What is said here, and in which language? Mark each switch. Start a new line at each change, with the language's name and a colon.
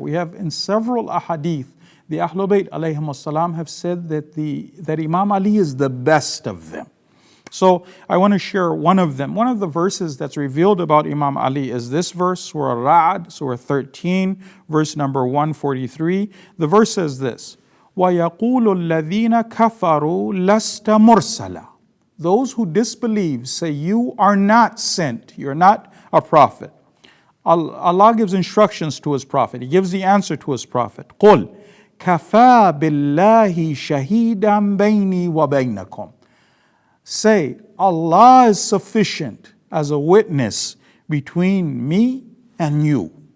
English: We have in several ahadith, the Ahlul Bayt alayhi salam have said that that Imam Ali is the best of them. So I want to share one of them. One of the verses that's revealed about Imam Ali is this verse, Surah Ra'ad, Surah 13, verse number 143. The verse says this,
Arabic: وَيَقُولُ الَّذِينَ كَفَرُوا لَسْتَ مُرْسَلًا.
English: Those who disbelieve say, you are not sent, you're not a prophet. Allah gives instructions to His Prophet. He gives the answer to His Prophet.
Arabic: قُلْ كَفَى بِاللَّهِ شَهِيدًا بَيْنِي وَبَيْنَكُمْ.
English: Say, Allah is sufficient as a witness between me and you.